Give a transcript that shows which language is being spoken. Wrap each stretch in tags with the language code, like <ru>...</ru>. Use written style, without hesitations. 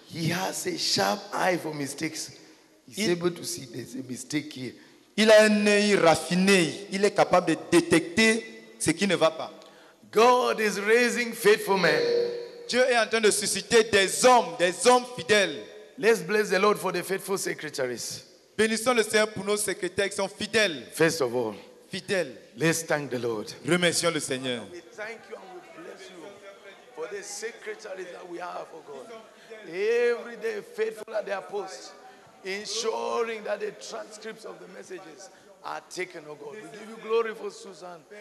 <en>He has a sharp eye for mistakes. He's able to see there's a mistake here.</en> <fr>Il a un œil raffiné. Il est capable de détecter ce qui ne va pas.</fr> <en>God is raising faithful men.</en> <fr>Dieu est en train de susciter des hommes fidèles.</fr> <en>Let's bless the Lord for the faithful secretaries.</en> <fr>Bénissons le Seigneur pour nos secrétaires qui sont fidèles.</fr> <en>First of all,</en> <fr>fidèles.</fr> <en>Let's thank the Lord.</en> <fr>Remercions le Seigneur.</fr> <en>We thank you and we bless you for the secretaries that we have, oh God. Every day, faithful at their post, ensuring that the transcripts of the messages are taken, oh God. We give you glory for Susan.</en>